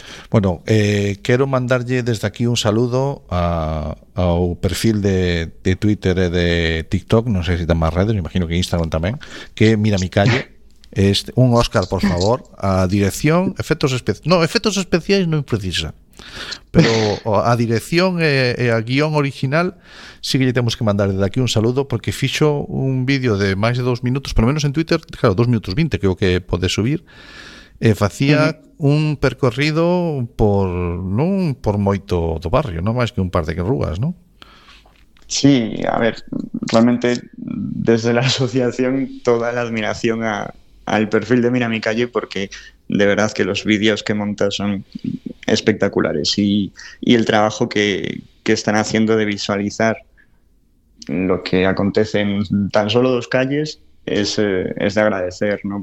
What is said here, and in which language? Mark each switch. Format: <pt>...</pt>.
<es>Bueno, quiero mandarle desde aquí un saludo a perfil de Twitter y de TikTok, no sé si están más redes, me imagino que Instagram también, que mira mi calle, un Oscar, por favor, a dirección, efectos especiales no es precisa, pero a dirección a guión original sí que le tenemos que mandar desde aquí un saludo porque fixo un vídeo de más de 2 minutos, por lo menos en Twitter, claro, 2 minutos 20 creo que puede subir.</es> <gl>Facía un percorrido por non por moito do barrio, non máis que un par de rúas, non?</gl> <es>Sí, a ver, realmente desde la asociación toda la admiración al perfil de Mira mi calle porque de verdad que los vídeos que monta son espectaculares y el trabajo que están haciendo de visualizar lo que acontece en tan solo 2 calles es de agradecer, ¿no?</es>